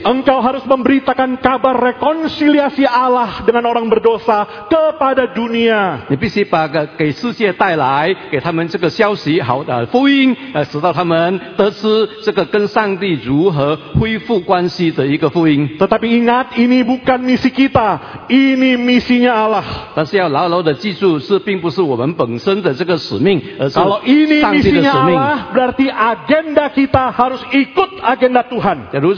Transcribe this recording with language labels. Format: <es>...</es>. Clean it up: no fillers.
<id>Engkau harus memberitakan kabar rekonsiliasi Allah dengan orang berdosa kepada dunia.</id> <zh>你必须把给世界带来，给他们这个消息，好的福音。使到他们得知这个跟上帝如何恢复关系的一个福音。</zh> <id>Tetapi ingat, ini bukan misi kita, ini misinya Allah.</id> <zh>但是要牢牢地记住，是并不是我们本身的这个使命，而是上帝的使命。</zh> <id>Kalau ini misinya Allah, berarti agenda kita harus ikut agenda Tuhan.</id>